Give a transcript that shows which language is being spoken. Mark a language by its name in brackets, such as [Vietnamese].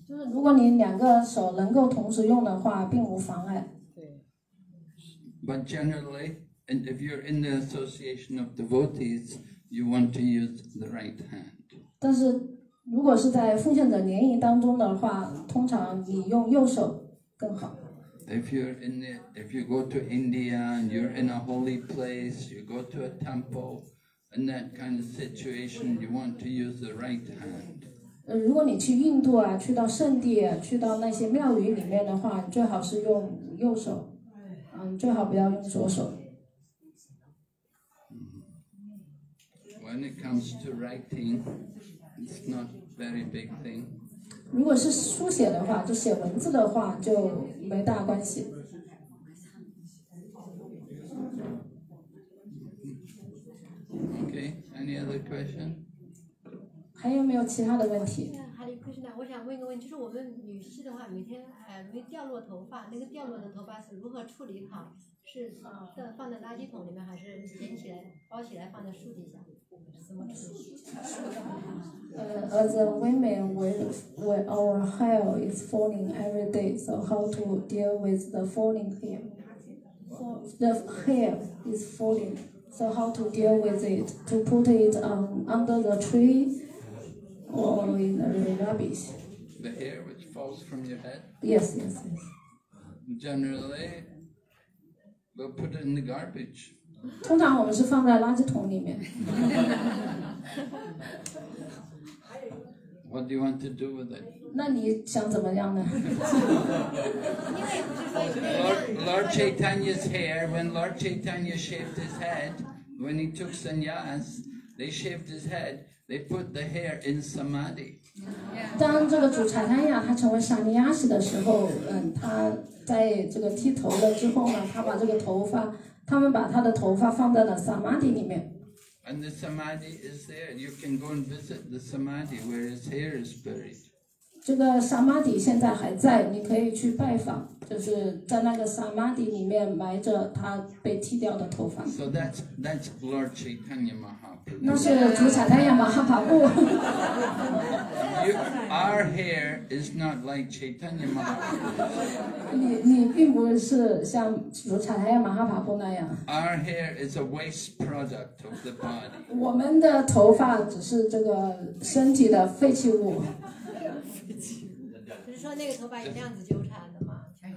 [Chinese] 就是如果你两个手能够同时用的话，并无妨碍。 [English] But generally, and if you're in the association of devotees, you want to use the right hand. [Chinese] 但是如果是在奉献者联谊当中的话，通常你用右手更好。 [English] If you go to India and you're in a holy place, you go to a temple, in that kind of situation, you want to use the right hand. [Chinese] 如果你去印度啊，去到圣地，去到那些庙宇里面的话，最好是用右手，最好不要用左手。 [English] When it comes to writing, it's not a very big thing. [Chinese] 如果是书写的话，就写文字的话，就没大关系。 [English] Okay, any other question? [Chinese] 还有没有其他的问题？哈利克什纳，我想问一个问题，就是我们女士的话，每天没掉落头发，那个掉落的头发是如何处理好？是放在垃圾桶里面，还是捡起来包起来放在树底下？ [English] As a woman, when our hair is falling every day, so how to deal with the falling hair? The hair is falling, so how to deal with it? To put it under the tree or in the rubbish? The hair which falls from your head? Yes, yes, yes. Generally, we'll put it in the garbage. [Chinese] 通常我们是放在垃圾桶里面。 [English] What do you want to do with it? [Chinese] 那你想怎么样呢？ [English] Lord Chaitanya's hair, when Lord Chaitanya shaved his head, when he took sannyas, they shaved his head, they put the hair in samadhi. [Chinese] 当这个主查坦雅他成为沙尼亚斯的时候，他在这个剃头了之后呢，他把这个头发。他们把他的头发放在了 samadhi 里面。 [English] And the samadhi is there. You can go and visit the samadhi where his hair is buried. [Chinese] 这个 samadhi 现在还在，你可以去拜访，就是在那个 samadhi 里面埋着他被剃掉的头发。 [English] So that's Lord Chaitanya Mahaprabhu. [Chinese] 那是主查坦雅马哈帕布。 [English] Our hair is not like Chaitanya Mahaprabhu. [Chinese] 你并不是像如查坦亚马哈帕布那样。 [English] Our hair is a waste product of the body. [Chinese] 我们的头发只是这个身体的废弃物。就是说那个头发一样子纠缠的吗？